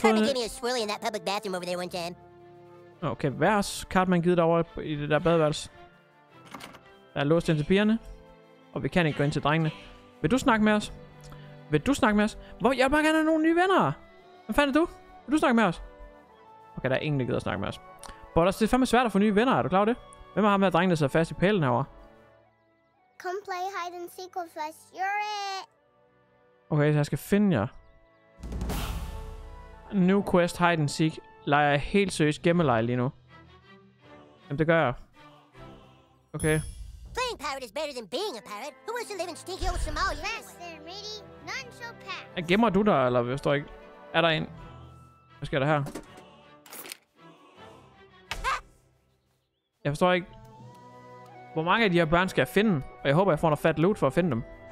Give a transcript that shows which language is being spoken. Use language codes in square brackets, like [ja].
[en] Cartman gave me a swirly in that public bathroom over there one time. [da] Okay, hvad har Cartman givet dig over i det der badeværelse? Der er låst ind til pigerne. Og vi kan ikke gå ind til drengene. Vil du snakke med os? Vil du snakke med os? Hvor, jeg vil bare gerne have nogle nye venner. Hvad fanden er du? Vil du snakke med os? Okay, der er ingen, der gider at snakke med os. Bollers, det er fandme svært at få nye venner. Er du klar over det? Hvem er ham her drengen, der sidder fast i pælen herovre? [en] Come play hide and seek with us. You're it. [da] Okay, så jeg skal finde jer. [en] New quest hide and seek. [da] Leger jeg helt seriøst gemmeleje lige nu? Jamen, det gør jeg. Okay. [en] Playing pirate is better than being a pirate. Who wants to live in stinky old Somalia? Pass there, matey. None shall pass. [da] Er, gemmer du der, eller hvis du ikke... Er der en? Hvad sker der her? Jeg forstår ikke, hvor mange af de her børn skal jeg finde, og jeg håber, jeg får noget fat loot for at finde dem.